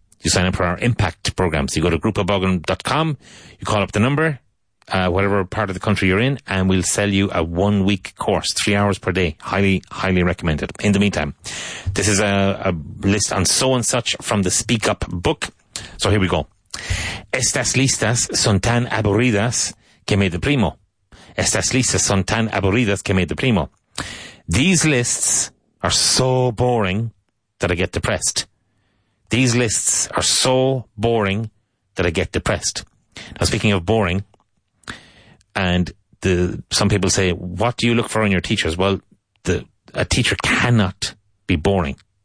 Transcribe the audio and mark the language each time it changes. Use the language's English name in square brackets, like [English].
[English] You sign up for our Impact program. So you go to groupofbogan.com, you call up the number, whatever part of the country you're in, and we'll sell you a 1 week course, 3 hours per day. Highly, highly recommended. In the meantime, this is a list on so and such from the Speak Up book. So here we go. [Spanish] Estas listas son tan aburridas que me deprimo. Estas listas son tan aburridas que me deprimo. [English] These lists are so boring that I get depressed. These lists are so boring that I get depressed. Now, speaking of boring, and the some people say, what do you look for in your teachers? Well, a teacher cannot be boring.